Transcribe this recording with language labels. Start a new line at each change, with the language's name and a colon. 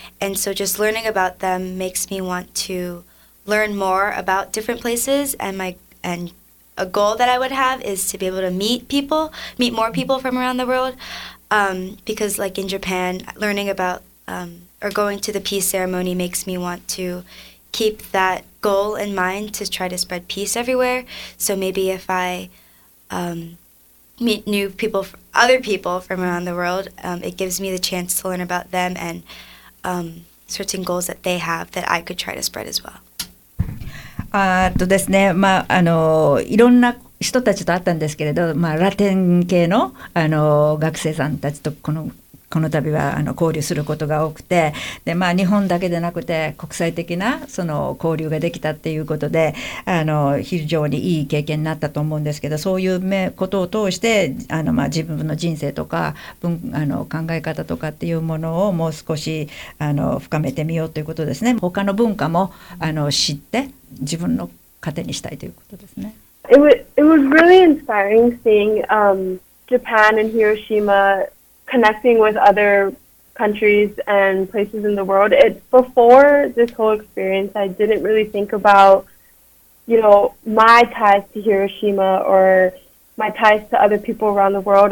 English: And so just learning about them makes me want to learn more about different places and myAnd a goal that I would have is to be able to meet people, meet more people from around the world.、because like in Japan, learning about、or going to the peace ceremony makes me want to keep that goal in mind to try to spread peace everywhere. So maybe if I、meet new people, other people from around the world,、it gives me the chance to learn about them and、certain goals that they have that I could try to spread as well.
Japanese: ですね、まあ、いろんな人たちと会ったんですけれど、まあ、ラテン系の、学生さんたちとこの度は交流することが多くて、で、まあ、日本だけでなくて国際的なその交流ができたっていうことで、非常にいい経験になったと思うんですけど、そういうことを通して、まあ、自分の人生とか考え方とかっていうものをもう少し深めてみようということですね。他の文化も知って自分の糧にしたいということですね。
English: It was really inspiring seeing、Japan and Hiroshima connecting with other countries and places in the world. It, before this whole experience, I didn't really think about, you know, my ties to Hiroshima or my ties to other people around the world.